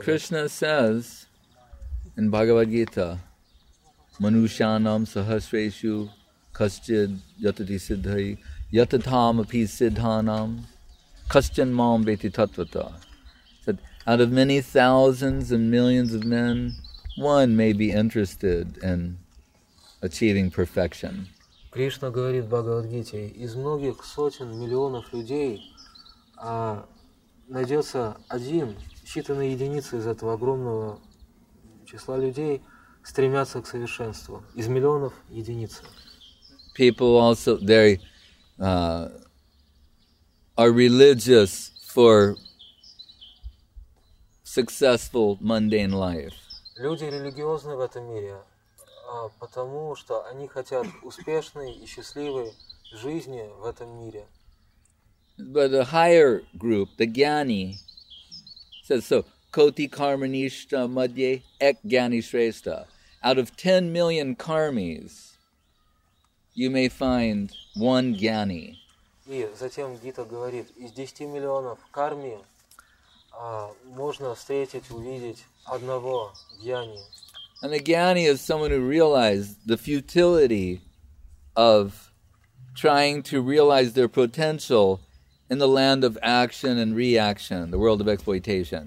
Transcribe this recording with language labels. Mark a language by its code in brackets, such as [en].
[en] Krishna that. Says in Bhagavad Gita, [sa] Manushyanam sahasreshu kaschid yatati siddhai yatatam api siddhanam kaschan mam veti tatvata. [en] That out of many thousands and millions of men, one may be interested in achieving perfection. [ru] Кришна говорит в Бхагавад-гите, из многих сотен миллионов людей найдется один, считанные единицы из этого огромного числа людей стремятся к совершенству. Из миллионов единиц. [en] People also, they are religious for successful mundane life. [ru] Люди религиозны в этом мире, потому что они хотят успешной и счастливой жизни в этом мире. [en] But the higher group, the jnani, says so, [bn] koti karmanishta madye ek jnani shrestha. [en] Out of 10 million karmis, you may find one jnani. [ru] И затем Гита говорит, из 10 миллионов карми можно встретить, увидеть одного джняни. [en] And a jnani is someone who realized the futility of trying to realize their potential in the land of action and reaction, the world of exploitation.